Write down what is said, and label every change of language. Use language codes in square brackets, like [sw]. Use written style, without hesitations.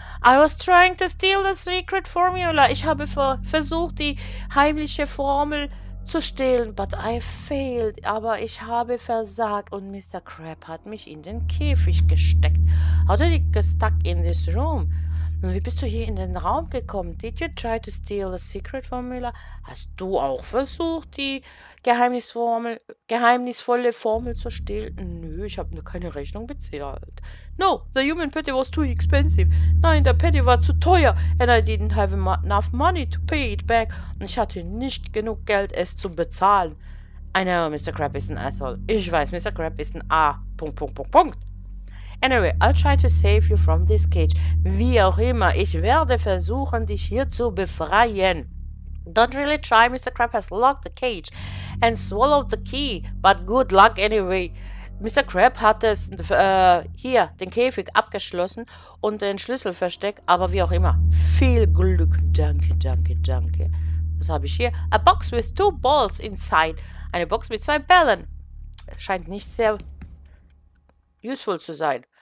[en] I was trying to steal the secret formula. [de] Ich habe versucht, die heimliche Formel zu stehlen. [en] But I failed. [de] Aber ich habe versagt. Und Mr. Crab hat mich in den Käfig gesteckt. [en] How did you get stuck in this room? [de] Nun, wie bist du hier in den Raum gekommen? [en] Did you try to steal the secret formula? [de] Hast du auch versucht, die geheimnisvolle Formel zu stehlen? Nö, ich habe nur keine Rechnung bezahlt. [en] No, the human patty was too expensive. [de] Nein, der Patty war zu teuer. [en] And I didn't have enough money to pay it back. [de] Und ich hatte nicht genug Geld, es zu bezahlen. [en] I know, Mr. Crab is an asshole. [de] Ich weiß, Mr. Crab ist ein A. Punkt, Punkt, Punkt, Punkt. [en] Anyway, I'll try to save you from this cage. [de] Wie auch immer, ich werde versuchen, dich hier zu befreien. [en] Don't really try, Mr. Crab has locked the cage and swallowed the key, but good luck anyway. [de] Mr. Crab hat es hier den Käfig abgeschlossen und den Schlüssel versteckt, aber wie auch immer. Viel Glück. Danke, danke, danke. Was habe ich hier? [en] A box with two balls inside. [de] Eine Box mit zwei Bällen. Scheint nicht sehr useful zu sein.